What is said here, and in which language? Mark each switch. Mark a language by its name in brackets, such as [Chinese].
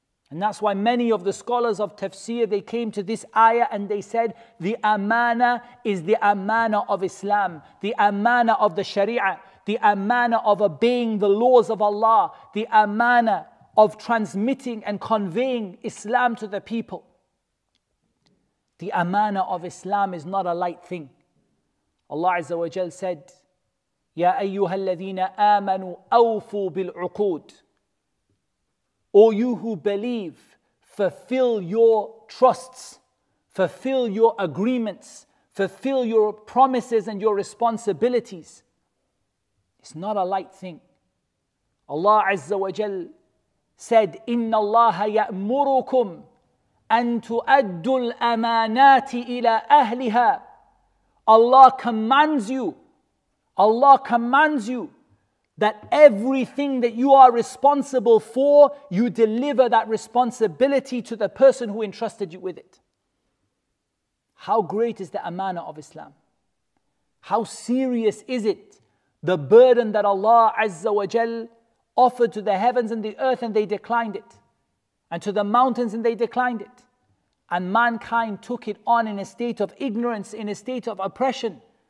[English] And that's why many of the scholars of tafsir, they came to this ayah and they said, the amana is the amana of Islam, the amana of the sharia, the amana of obeying the laws of Allah, the amana of transmitting and conveying Islam to the people. The amana of Islam is not a light thing. [Arabic] Allah Azza wa Jal said, يَا أَيُّهَا الَّذِينَ آمَنُوا أَوْفُوا بِالْعُقُودِ. [English] O you who believe, fulfill your trusts, fulfill your agreements, fulfill your promises and your responsibilities. It's not a light thing. [Arabic] Allah Azza wa Jal said, إِنَّ اللَّهَ يَأْمُرُكُمْ أَن تُؤَدُّوا الْأَمَانَاتِ إِلَىٰ أَهْلِهَا. [English] Allah commands you, Allah commands you that everything that you are responsible for, you deliver that responsibility to the person who entrusted you with it. How great is the amana of Islam? How serious is it, the burden that Allah Azza wa Jal offered to the heavens and the earth and they declined it, and to the mountains and they declined it, and mankind took it on in a state of ignorance, in a state of oppression.